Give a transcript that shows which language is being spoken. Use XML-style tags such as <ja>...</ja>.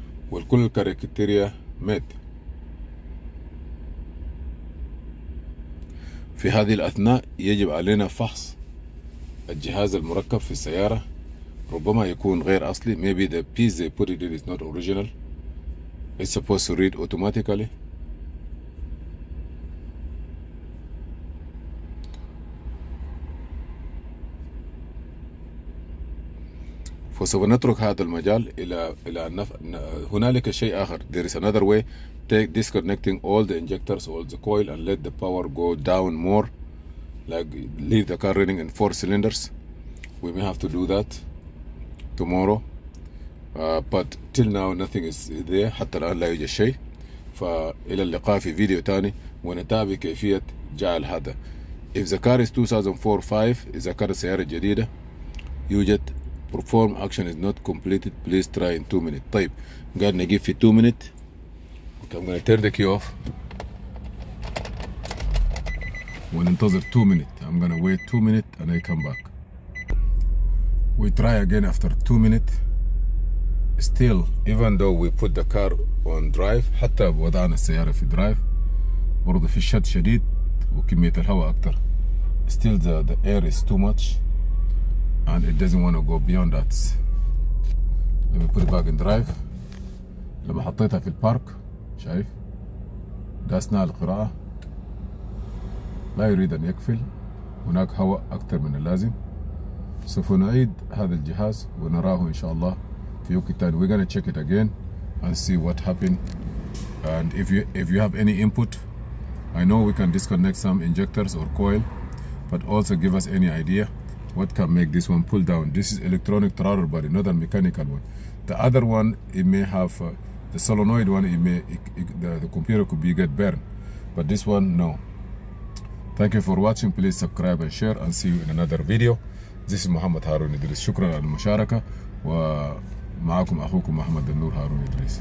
<ar>والكل الكاريكاتيريا مات. في هذه الأثناء يجب علينا فحص الجهاز المركب في السيارة. ربما يكون غير أصلي.</ar> <en>Maybe the piece they put it in is not original. It's supposed to read automatically.</en> <ar>فسوف نترك هذا المجال إلى هنالك شيء آخر.</ar> <en>There is another way. Take disconnecting all the injectors, all the coil, and let the power go down more. Like leave the car running in four cylinders. We may have to do that tomorrow. But till now nothing is there.</en> <ar>حتى الآن لا يوجد شيء. فإلى اللقاء في فيديو تاني ونتابع كيفية جعل هذا.</ar> <en>If the car is 2004-5,</en> <ar>إذا كانت سيارة جديدة, يوجد</ar> <en>perform action is not completed, please try in 2 minutes.</en> <ar>طيب قال نجيب في</ar> <en>2 minutes. Okay, I'm gonna turn the key off</en> <ar>وننتظر</ar> <en>2 minutes. I'm gonna wait 2 minutes and I come back. We try again after 2 minutes. Still, even though we put the car on drive,</en> <ar>حتى وضعنا السيارة في drive, برضو في شد شديد وكمية الهواء أكتر.</ar> <en>Still the air is too much and it doesn't want to go beyond that. Let me put it back in drive.</en> <ar>لما حطيتها في البارك, شايف؟ ده أثناء القراءة. لا يريد أن يقفل, هناك هواء أكثر من اللازم. سوف نعيد هذا الجهاز ونراه إن شاء الله في يوم التالي.</ar> <en>We're gonna check it again and see what happened. And if you have any input, I know we can disconnect some injectors or coil, but also give us any idea what can make this one pull down. This is electronic throttle body, not a mechanical one. The other one, it may have the solenoid one, the computer could be get burned, but this one, no. Thank you for watching. Please subscribe and share and see you in another video. This is Muhammad Harun Idris.</en> <ar>شكرا على المشاركة, ومعكم أخوكم محمد النور هارون إدريس.</ar>